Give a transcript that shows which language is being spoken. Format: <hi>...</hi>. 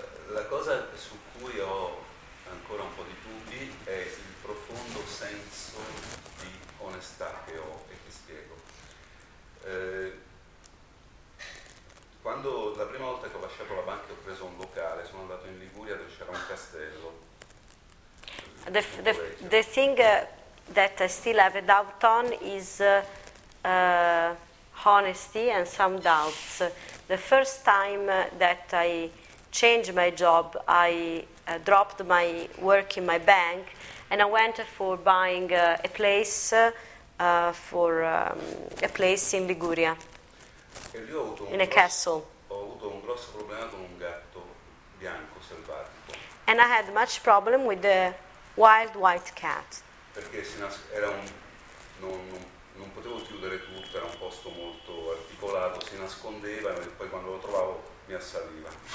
<it>La cosa su cui ho ancora un po' di dubbi è il profondo senso di onestà che ho e che spiego. Quando la prima volta che ho lasciato la banca ho preso un locale, sono andato in Liguria dove c'era un castello.</it> <en>The thing that I still have a doubt on is honesty and some doubts. The first time that I changed my job, I dropped my work in my bank and I went for buying a place for a place in Liguria,</en> <it>e lì ho avuto</it> <en>in a castle.</en> <it>Ho avuto un grosso problema con un gatto bianco selvatico.</it> <en>And I had much problem with the wild white cat.</en> <it>Perché era non potevo chiudere tutto, era un posto molto articolato, si nascondeva e poi quando lo trovavo mi assaliva.</it>